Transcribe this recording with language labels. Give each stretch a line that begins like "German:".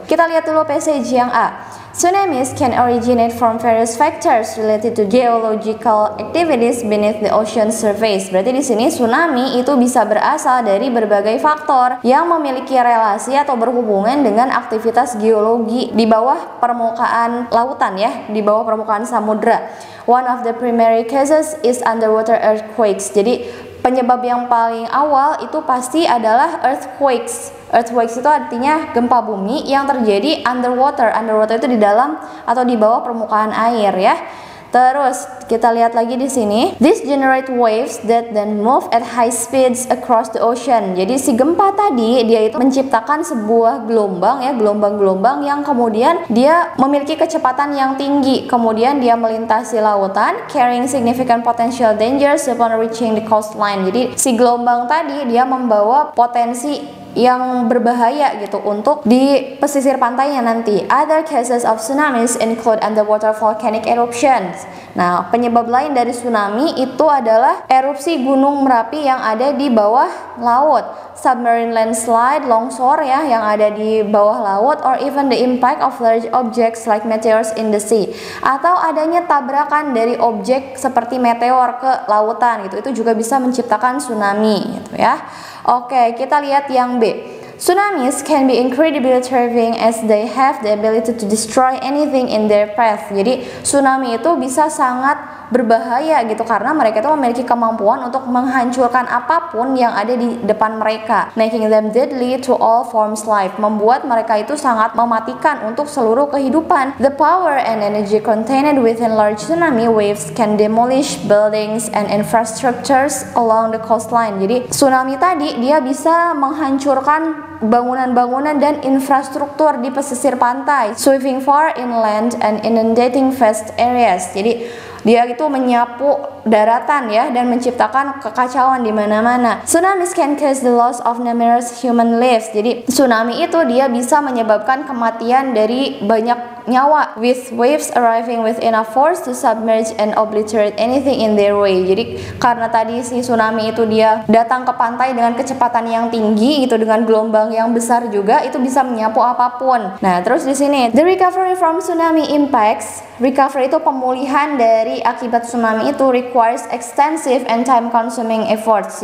Indonesian: Kita lihat dulu passage yang A.
English: Tsunamis can originate from various factors related to geological activities beneath the ocean surface.
Indonesian: Berarti di sini tsunami itu bisa berasal dari berbagai faktor yang memiliki relasi atau berhubungan dengan aktivitas geologi di bawah permukaan lautan ya, di bawah permukaan samudra.
English: One of the primary causes is underwater earthquakes.
Indonesian: Jadi penyebab yang paling awal itu pasti adalah earthquakes. Earthquakes itu artinya gempa bumi yang terjadi underwater. Underwater itu di dalam atau di bawah permukaan air ya. Terus kita lihat lagi di sini.
English: This generate waves that then move at high speeds across the ocean.
Indonesian: Jadi si gempa tadi dia itu menciptakan sebuah gelombang ya, gelombang-gelombang yang kemudian dia memiliki kecepatan yang tinggi. Kemudian dia melintasi lautan
English: carrying significant potential dangers upon reaching the coastline.
Indonesian: Jadi si gelombang tadi dia membawa potensi yang berbahaya gitu untuk di pesisir pantainya nanti.
English: Other cases of tsunamis include underwater volcanic eruptions.
Indonesian: Nah, penyebab lain dari tsunami itu adalah erupsi gunung Merapi yang ada di bawah laut,
English: submarine landslide,
Indonesian: longsor ya yang ada di bawah laut,
English: or even the impact of large objects like meteors in the sea.
Indonesian: Atau adanya tabrakan dari objek seperti meteor ke lautan gitu. Itu juga bisa menciptakan tsunami gitu ya. Oke, kita lihat yang B.
English: Tsunamis can be incredibly terrifying as they have the ability to destroy anything in their path.
Indonesian: Jadi, tsunami itu bisa sangat berbahaya gitu karena mereka itu memiliki kemampuan untuk menghancurkan apapun yang ada di depan mereka.
English: Making them deadly to all forms life.
Indonesian: Membuat mereka itu sangat mematikan untuk seluruh kehidupan.
English: The power and energy contained within large tsunami waves can demolish buildings and infrastructures along the coastline.
Indonesian: Jadi tsunami tadi dia bisa menghancurkan bangunan-bangunan dan infrastruktur di pesisir pantai.
English: Sweeping far inland and inundating vast areas.
Indonesian: Jadi dia itu menyapu daratan ya dan menciptakan kekacauan di mana-mana.
English: Tsunamis can cause the loss of numerous human lives.
Indonesian: Jadi tsunami itu dia bisa menyebabkan kematian dari banyak nyawa.
English: With waves arriving with enough force to submerge and obliterate anything in their way.
Indonesian: Jadi karena tadi si tsunami itu dia datang ke pantai dengan kecepatan yang tinggi gitu, dengan gelombang yang besar juga, itu bisa menyapu apapun. Nah, terus di sini
English: the recovery from tsunami impacts.
Indonesian: Recovery itu pemulihan dari akibat tsunami itu
English: requires extensive and time consuming efforts.